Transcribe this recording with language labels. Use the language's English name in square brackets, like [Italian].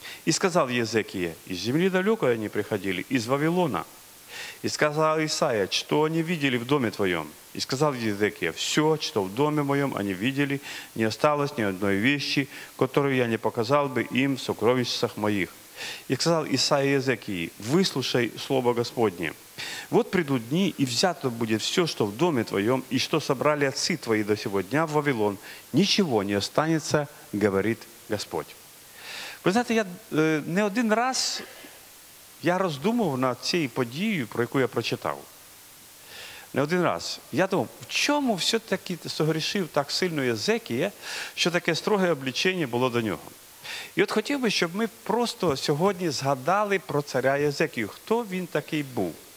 [Russian] И сказал Езекия, из земли далекой они приходили, из Вавилона. И сказал Исаия, что они видели в доме твоем? И сказал Езекия, все, что в доме моем они видели, не осталось ни одной вещи, которую я не показал бы им в сокровищах моих. [Ukrainian] Як сказав Ісаї Єзекії, вислушай слово Господнє. [Russian] Вот придут дни, и взято будет все, что в доме твоем, и что собрали отцы твои до сего дня в Вавилон. Ничего не останется, говорит Господь. [Ukrainian] Ви знаєте, я не один раз я роздумував над цією подією, про яку я прочитав. Не один раз. Я думав, в чому все-таки согрішив так сильно Єзекія, що таке строге обличення було до нього. І от хотів би, щоб ми просто сьогодні згадали про царя Єзекію, хто він такий був.